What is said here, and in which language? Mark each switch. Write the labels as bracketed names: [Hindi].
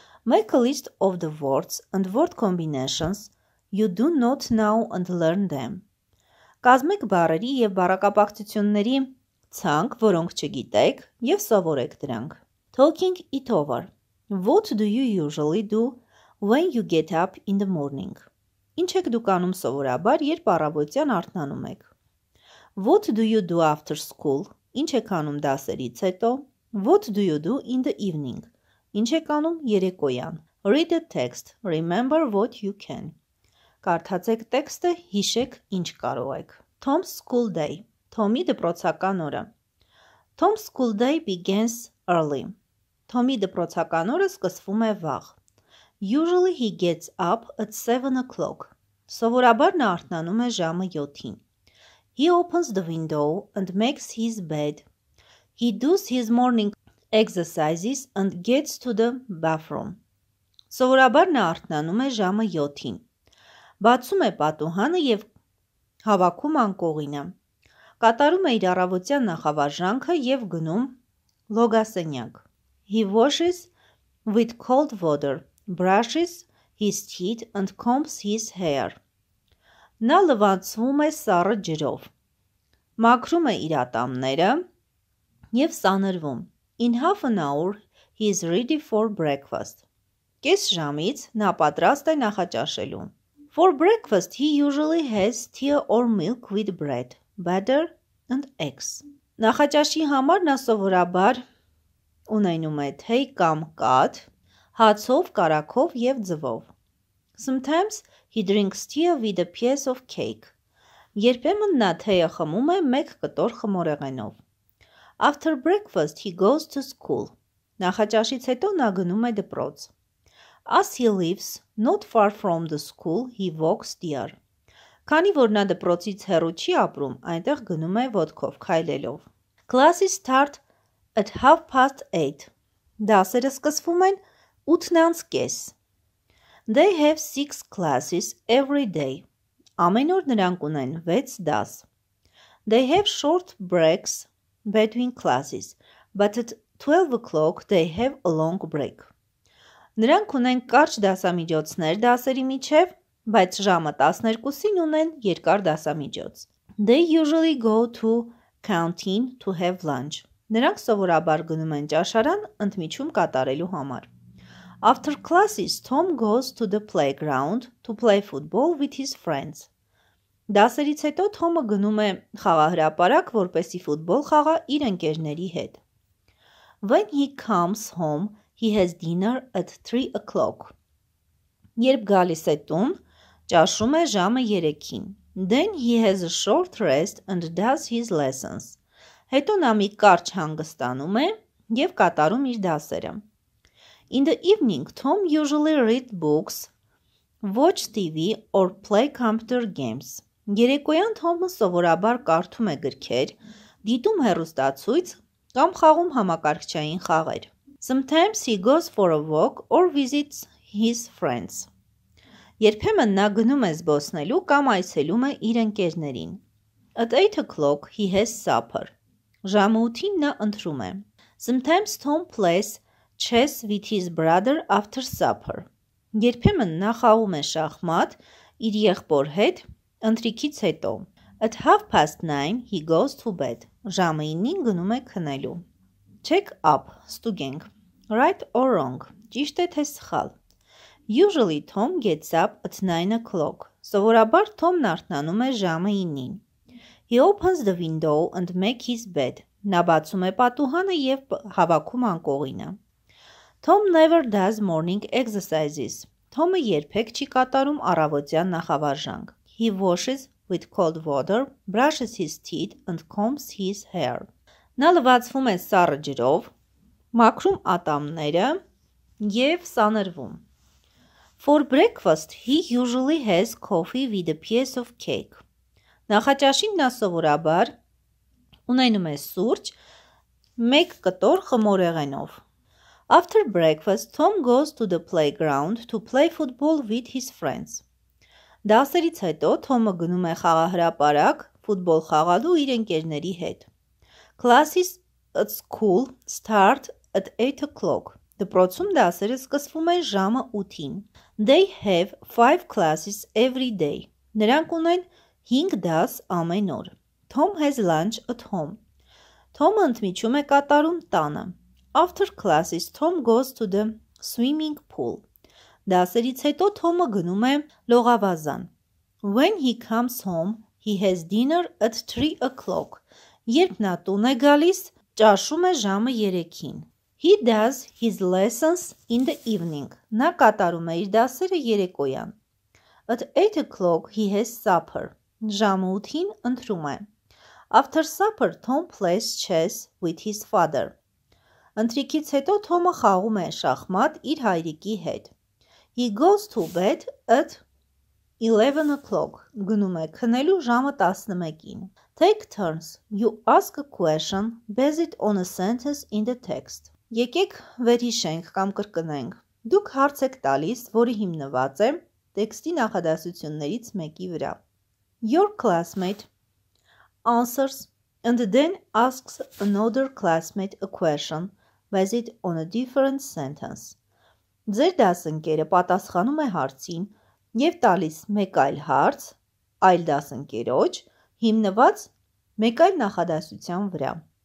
[English] Make a list of the words and word combinations you do not know and learn them. [Armenian] Կազմեք բառերի եւ բառակապակցությունների ցանկ, որոնք չգիտեք եւ սովորեք դրանք. [English] Talking it over. What do you usually do when you get up in the morning? [Armenian] Ինչ եք դուք անում սովորաբար, երբ առավոտյան արթնանում եք? [English] What do you do after school? [Armenian] Ինչ եք անում դասերից հետո? [English] What do you do in the evening? [Armenian] Ինչ եք անում երեկոյան? [English] Read the text. Remember what you can. [Armenian] Կարդացեք տեքստը, հիշեք ինչ կարող եք. [English] Tom's school day. [Armenian] Թոմի դպրոցական օրը. [English] Tom's school day begins early. [Armenian] Թոմի դպրոցական օրը սկսվում է վաղ. [English] Usually he gets up at 7 o'clock. [Armenian] Սովորաբար նա արթնանում է ժամը 7-ին. [English] He opens the window and makes his bed. He does his morning exercises and gets to the bathroom. [Armenian] Սովորաբար նա արթնանում է ժամը 7-ին. Բացում է պատուհանը եւ հավաքում անկողինը. Կատարում է իր առավոտյան նախավարժանքը եւ գնում լոգասենյակ. [English] He washes with cold water, brushes his teeth and combs his hair. [Armenian] Նա լվացվում է սառը ջրով. Մաքրում է իր ատամները եւ սանրվում. [English] In half an hour he's ready for breakfast. [Armenian] Կես ժամից նա պատրաստ է նախաճաշելու. [English] For breakfast he usually has tea or milk with bread, butter and eggs. [Armenian] Նախաճաշի համար նա սովորաբար ունենում է թեյ կամ կաթ, հացով, կարաքով եւ ձվով. [English] Sometimes he drinks tea with a piece of cake. [Armenian] Երբեմն նա թեյը խմում է մեկ կտոր խմորեղենով. [English] After breakfast he goes to school. [Armenian] Նախաճաշից հետո նա գնում է դպրոց. [English] As he lives not far from the school, he walks there. [Armenian] Քանի որ նա դպրոցից հեռու չի ապրում, այնտեղ գնում է ոտքով քայլելով. [English] Classes start at 8:30. [Armenian] Դասերը սկսվում են 8:30. [English] They have 6 classes every day. [Armenian] Ամեն օր նրանք ունեն 6 դաս. [English] They have short breaks between classes, but at 12:00 they have a long break. [Armenian] Նրանք ունեն կարճ դասամիջոցներ դասերի միջև, բայց ժամը 12-ին ունեն երկար դասամիջոց. [English] They usually go to canteen to have lunch. [Armenian] Նրանք սովորաբար գնում են ճաշարան ընդմիջում կատարելու համար. [English] After classes, Tom goes to the playground to play football with his friends. [Armenian] Դասերից հետո Թոմը գնում է խաղահրապարակ, որպեսի ֆուտբոլ խաղա իր ընկերների հետ. [English] When he comes home, he has dinner at 3:00. [Armenian] Երբ գալիս է տուն, ճաշում է ժամը 3-ին. [English] Then he has a short rest and does his lessons. [Armenian] Հետո նա մի կարճ հանգստանում է եւ կատարում իր դասերը. [English] In the evening, Tom usually read books, watch TV or play computer games. [Armenian] Երեկոյան Թոմը սովորաբար կարդում է գրքեր, դիտում հեռուստացույց կամ խաղում համակարգչային խաղեր. [English] Sometimes he goes for a walk or visits his friends. [Armenian] Երբեմն նա գնում է զբոսնելու կամ այցելում է իր ընկերներին. [English] At 8:00 he has supper. [Armenian] Ժամը 8-ին նա ընթրում է. [English] Sometimes Tom plays chess with his brother after supper. [Armenian] Երբեմն նա խաղում է շախմատ իր եղբոր հետ ընթրիքից հետո. [English] At 9:30 he goes to bed. [Armenian] Ժամը 9-ին գնում է քնելու. Check up. Ստուգենք. Right or wrong. Ճիշտ է թե սխալ. [English] Usually Tom gets up at 9:00. [Armenian] Սովորաբար Թոմն արթնանում է ժամը 9-ին. [English] He opens the window and makes his bed. [Armenian] Նա բացում է պատուհանը եւ հավաքում անկողինը. [English] Tom never does morning exercises. [Armenian] Թոմը երբեք չի կատարում առավոտյան նախավարժանք. [English] He washes with cold water, brushes his teeth and combs his hair. [Armenian] Նա լվացվում է սառը ջրով, մաքրում ատամները եւ սանրվում. [English] For breakfast he usually has coffee with a piece of cake. [Armenian] Նախաճաշին նա սովորաբար ունենում է սուրճ մեկ կտոր խմորեղենով. [English] After breakfast Tom goes to the playground to play football with his friends. [Armenian] Դասերից հետո Թոմը գնում է խաղահրապարակ ֆուտբոլ խաղալու իր ընկերների հետ. [English] Classes at school start at 8:00. [Armenian] Դպրոցում դասերը սկսվում են ժամը 8-ին. [English] They have 5 classes every day. [Armenian] Նրանք ունեն 5 դաս ամեն օր. [English] Tom has lunch at home. [Armenian] Թոմը ընդմիջում է կատարում տանը. [English] After classes Tom goes to the swimming pool. [Armenian] Դասերից հետո Թոմը գնում է լողավազան. [English] When he comes home, he has dinner at 3:00. [Armenian] Երբ նա տուն է գալիս, ճաշում է ժամը 3-ին. [English] He does his lessons in the evening. [Armenian] Նա կատարում է իր դասերը երեկոյան. [English] At 8:00 he has supper. [Armenian] Ժամը 8-ին ընթրում է. [English] After supper Tom plays chess with his father. [Armenian] Ընթրիքից հետո Թոմը խաղում է շախմատ իր հայրիկի հետ. [English] He goes to bed at 11:00. [Armenian] Գնում է քնելու ժամը 11-ին. [English] Take turns. You ask a question based on a sentence in the text. [Armenian] Եկեք վերհիշենք կամ կրկնենք։ Դուք հարց եք տալիս, որի հիմնված է տեքստի նախադասություններից մեկի վրա. [English] Your classmate answers and then asks another classmate a question based on a different sentence. [Armenian] Ձեր դասընկերը պատասխանում է հարցին եւ տալիս մեկ այլ հարց այլ դասընկերոջ հիմնված մեկ այլ նախադասության վրա.